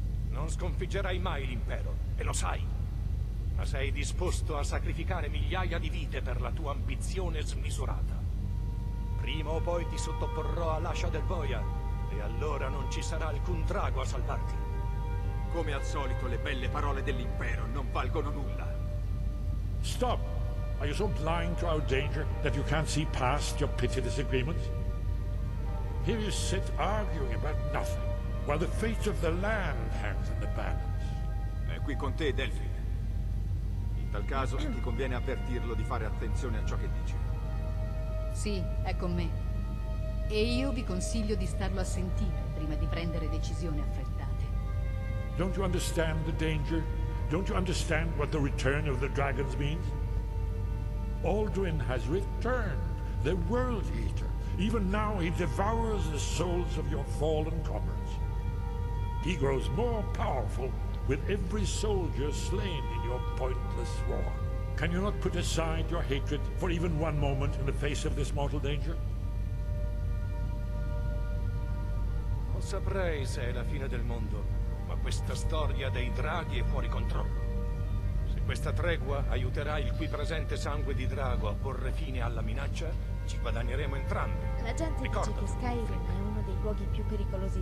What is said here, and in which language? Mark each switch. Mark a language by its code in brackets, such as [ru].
[it] Non sconfiggerai mai l'impero, e lo sai. Ma sei disposto a sacrificare migliaia di vite per la tua ambizione smisurata. Prima o poi ti sottoporrò all'ascia del Boia. E allora non ci sarà alcun drago a salvarti. Come al solito, le belle parole dell'impero non valgono nulla. [en] Stop! Are you so blind to our danger that you can't see past your petty disagreements? Here you sit arguing about nothing, while the fate of the land hangs in the balance. [it] È qui con te, Delphin. In tal caso, ti conviene avvertirlo di fare attenzione a ciò che dice. Sì, è con me. E io vi consiglio di starlo a sentire prima di prendere decisioni affrettate. [en] Don't you understand the danger? Don't you understand what the return of the dragons means? Alduin has returned, the World Eater. Even now he devours the souls of your fallen comrades. He grows more powerful with every soldier slain in your pointless war. Can you not put aside your hatred for even one moment in the face of this mortal danger? [it] Non saprei se è la fine del mondo, ma questa storia dei draghi è fuori controllo. Se questa tregua aiuterà il qui presente sangue di drago a porre fine alla minaccia, ci guadagneremo entrambi. La gente ricorda, dice che Skyrim è uno dei luoghi più pericolosi